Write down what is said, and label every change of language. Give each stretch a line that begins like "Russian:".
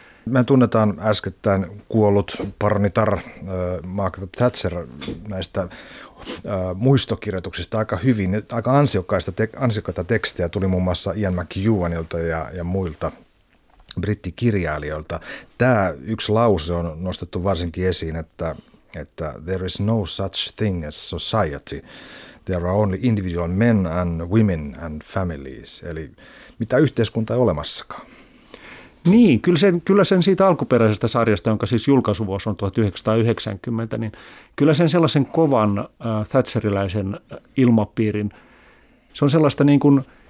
Finnish: Me tunnetaan äskettäin kuollut paronitar Margaret Thatcher näistä muistokirjoituksista aika hyvin. Aika ansiokkaita tekstejä tuli muun muassa Ian McEwanilta ja muilta brittikirjailijoilta. Tämä yksi lause on nostettu varsinkin esiin, että
English: there is no such thing as society. There are only individual men and women and families.
Finnish: Eli mitä yhteiskunta ei olemassakaan. Niin, kyllä sen siitä alkuperäisestä sarjasta, jonka siis julkaisuvuosi on 1990, niin kyllä sen sellaisen kovan thatcheriläisen ilmapiirin, se on sellaista niin kuin